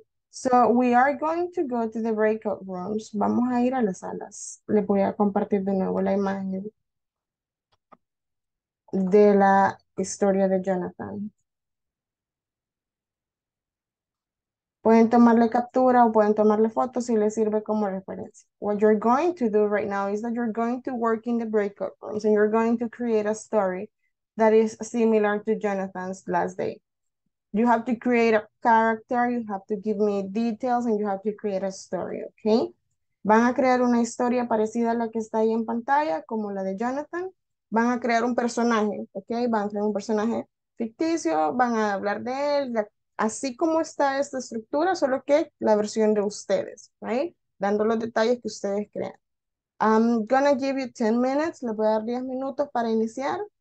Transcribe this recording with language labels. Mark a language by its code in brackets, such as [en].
[en] So we are going to go to the breakout rooms. [es] Vamos a ir a las salas. Le voy a compartir de nuevo la imagen de la historia de Jonathan. Pueden tomarle captura o pueden tomarle fotos si les sirve como referencia. [en] What you're going to do right now is that you're going to work in the breakout rooms and you're going to create a story that is similar to Jonathan's last day. You have to create a character, you have to give me details, and you have to create a story, okay? [es] Van a crear una historia parecida a la que está ahí en pantalla, como la de Jonathan. Van a crear un personaje, [en] okay? [es] Van a crear un personaje ficticio, van a hablar de él, así como está esta estructura, solo que la versión de ustedes, [en] right? [es] Dando los detalles que ustedes crean. [en] I'm gonna give you 10 minutes, [es] le voy a dar 10 minutos para iniciar.